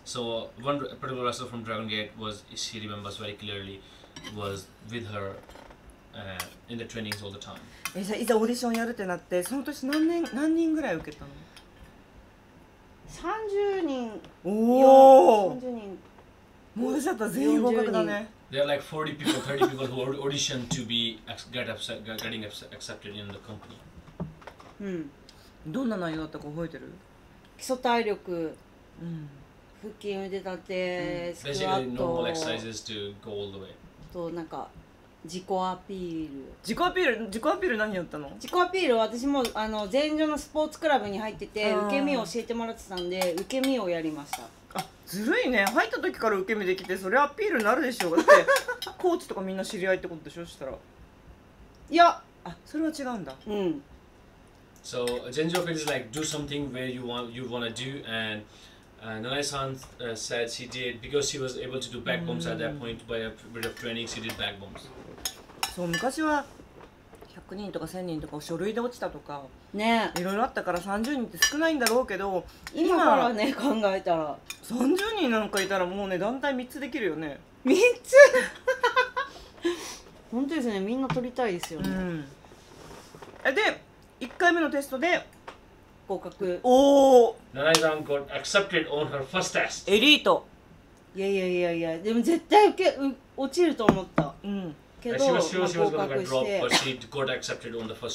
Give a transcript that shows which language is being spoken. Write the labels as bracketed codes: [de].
[en] So one particular wrestler from Dragon Gate was she remembers very clearlyWas with her in the trainings all the time. [ja] え、じゃあいざオーディションやるってなって、その年何年何人ぐらい受けたの？ 30人。おお。 30人。もう出ちゃった、全員合格だね。 [en] There are like 40 people, 30 people who audition to be getting accepted in the company. [ja] うん。どんな内容だったか覚えてる？基礎体力。うん。腹筋腕立て、スクワット。 [en] Basically normal exercises to go all the way. [ja] となんか自己アピール、自己アピール、自己アピール何やったの？自己アピール、私もあの前場のスポーツクラブに入ってて受け身を教えてもらってたんで受け身をやりました。あ、ずるいね。入った時から受け身できてそれアピールになるでしょう。だってコーチとかみんな知り合いってことでしょ。したらいや、あ、それは違うんだ。うん。 [en] So 前場is like do something where you wanna do andNanae-san said she did because she was able to do back bumps at that point by a bit of training, she did back bumps. [ja] そう、昔は100人とか1000人とか書類で落ちたとかね、いろいろあったから30人って少ないんだろうけど、今からね、考えたら 30人なんかいたらもうね、団体3つできるよね。 3つ本当ですね、みんな取りたいですよね。うん。で、1回目のテストで合格。おお。 [en] Nanae-san got accepted on her first test. [ja] エリート。いやいやいやいや、でも絶対落ちると思った。うん。けど、 [en] she was gonna get dropped, but she got accepted on the first try.